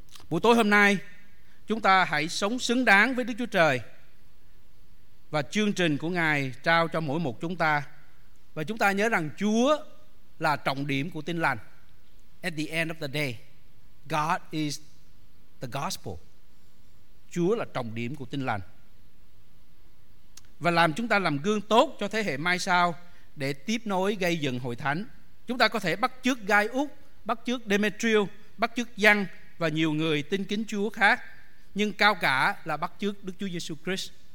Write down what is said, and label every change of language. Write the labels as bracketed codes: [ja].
[vi] Buổi tối hôm nay chúng ta hãy sống xứng đáng với Đức Chúa Trời và chương trình của Ngài trao cho mỗi một chúng ta. Và chúng ta nhớ rằng Chúa là trọng điểm của tin lành. [en] At the end of the day, God is the gospel. [vi] Chúa là trọng điểm của tin lành. Và làm chúng ta làm gương tốt cho thế hệ mai sau để tiếp nối gây dựng hội thánh. Chúng ta có thể bắt chước Gai Út, bắt chước Demetrius, bắt chước Giăng và nhiều người tin kính Chúa khác, nhưng cao cả là bắt chước Đức Chúa Giê-xu Christ.